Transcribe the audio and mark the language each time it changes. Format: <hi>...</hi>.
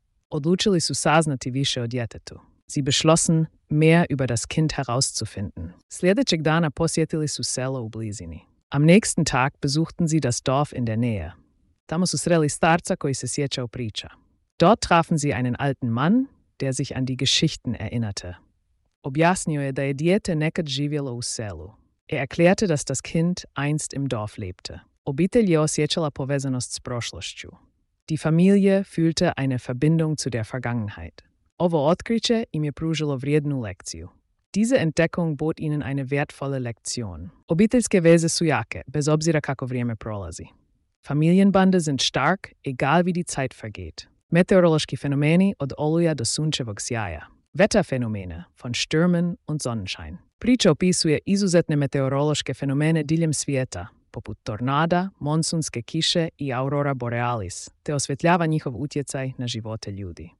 <hr>Odlučili su saznati više o djetetu.</hr> <de>Sie beschlossen, mehr über das Kind herauszufinden.</de> <hr>Sljedećeg dana posjetili su selo u blizini.</hr> <de>Am nächsten Tag besuchten sie das Dorf in der Nähe.</de> <hr>Tamo su sreli starca koji se sjećao priča.</hr> <de>Dort trafen sie einen alten Mann, der sich an die Geschichten erinnerte.</de> <hr>Objasnio je da je dijete nekad živjelo u selu.</hr> <de>Er erklärte, dass das Kind einst im Dorf lebte.</de> <hr>Obitelj je osjećala povezanost s prošlošću.</hr> <de>Die Familie fühlte eine Verbindung zu der Vergangenheit.</de> <hr>Ovo otkriće im je pružilo vrijednu lekciju.</hr> <de>Diese Entdeckung bot ihnen eine wertvolle Lektion.</de> <hr>Obiteljske veze su jake, bez obzira kako vrijeme prolazi.</hr> <de>Familienbande sind stark, egal wie die Zeit vergeht.</de> <hr>Meteorološki fenomeni od oluja do sunčevog sjaja.</hr> <de>Wetterphänomene von Stürmen und Sonnenschein.</de> <hr>Priča opisuje izuzetne meteorološke fenomene diljem svijeta, poput tornada, monsunske kiše i aurora borealis, te osvetljava njihov utjecaj na živote ljudi.</hr>